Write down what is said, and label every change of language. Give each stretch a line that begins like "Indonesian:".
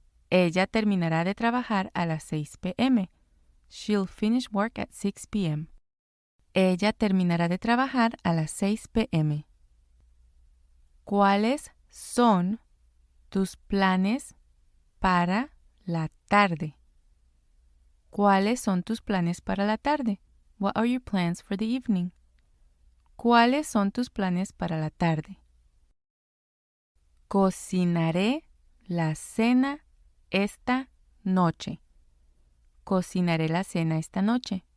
Spanish: Ella terminará de trabajar a las 6 p.m.
English: She'll finish work at 6 p.m.
Spanish: Ella terminará de trabajar a las 6 p.m. ¿Cuáles son tus planes para la tarde? ¿Cuáles son tus planes para la tarde?
English: What are your plans for the evening?
Spanish: ¿Cuáles son tus planes para la tarde? Cocinaré la cena esta noche. Cocinaré la cena esta noche.